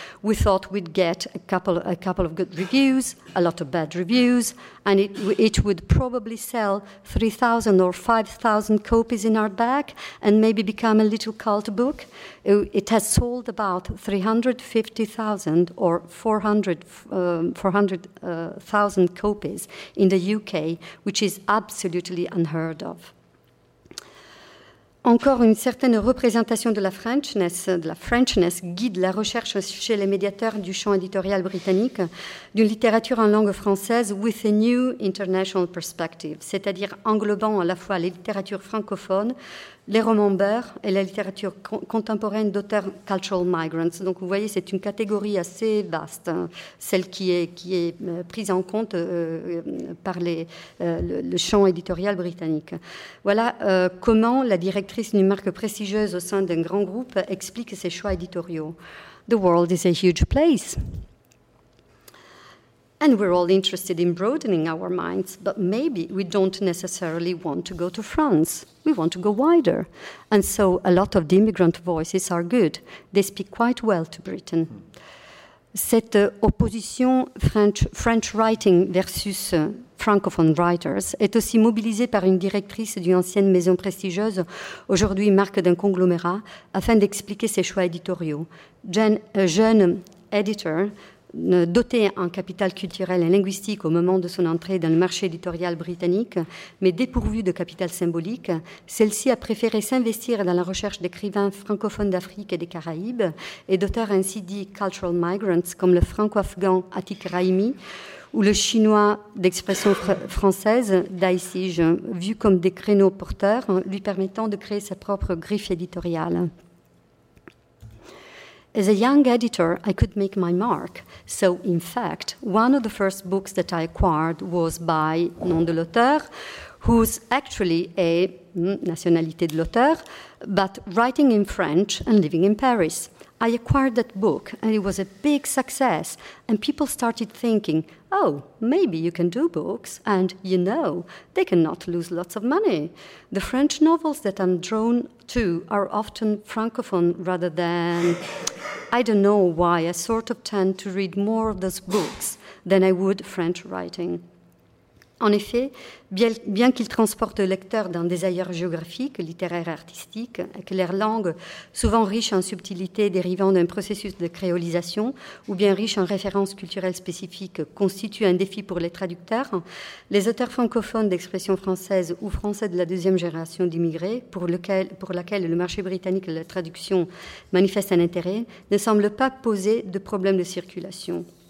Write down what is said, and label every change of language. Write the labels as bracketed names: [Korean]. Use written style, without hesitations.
[English] We thought we'd get a couple of good reviews, a lot of bad reviews, and it would probably sell 3,000 or 5,000 copies in our back, and maybe become a little cult book. It has sold about 350,000 or 400,000 copies in the UK, which is absolutely unheard of. [French] Encore une certaine représentation de la Frenchness guide la recherche chez les médiateurs du champ éditorial britannique d'une littérature en langue française [English] with a new international perspective, [French] c'est-à-dire englobant à la fois les littératures francophones, les romans beurre et la littérature contemporaine d'auteurs [English] cultural migrants. [French] Donc vous voyez, c'est une catégorie assez vaste, celle qui est prise en compte par le champ éditorial britannique. Voilà comment la directrice d'une marque prestigieuse au sein d'un grand groupe explique ses choix éditoriaux. [English] The world is a huge place. And we're all interested in broadening our minds, but maybe we don't necessarily want to go to France. We want to go wider. And so a lot of the immigrant voices are good. They speak quite well to Britain. [French] Cette opposition [English] French writing [French] versus [English] francophone writers [French] est aussi mobilisée par une directrice d'une ancienne maison prestigieuse, aujourd'hui marque d'un conglomérat, afin d'expliquer ses choix éditoriaux. Jeune editor, doté en capital culturel et linguistique au moment de son entrée dans le marché éditorial britannique, mais dépourvu de capital symbolique, celle-ci a préféré s'investir dans la recherche d'écrivains francophones d'Afrique et des Caraïbes et d'auteurs ainsi dits « [English] cultural migrants [French] » comme le franco-afghan Atik Raimi ou le chinois d'expression française Dai Sij, vu comme des créneaux porteurs lui permettant de créer sa propre griffe éditoriale. [English] As a young editor, I could make my mark. So, in fact, one of the first books that I acquired was by [French] nom de l'auteur, [English] who's actually a [French] nationalité de l'auteur, [English] but writing in French and living in Paris. I acquired that book, and it was a big success. And people started thinking, oh, maybe you can do books, and you know, they cannot lose lots of money. The French novels that I'm drawn to are often francophone rather than... I don't know why I sort of tend to read more of those books than I would French writing. [French] En effet, bien qu'il transporte le lecteur dans des ailleurs géographiques, littéraires et artistiques, et que leur langue, souvent riche en subtilités dérivant d'un processus de créolisation, ou bien riche en références culturelles spécifiques, constitue un défi pour les traducteurs, les auteurs francophones d'expression française ou français de la deuxième génération d'immigrés, pour laquelle le marché britannique de la traduction manifeste un intérêt, ne semblent pas poser de problème de circulation.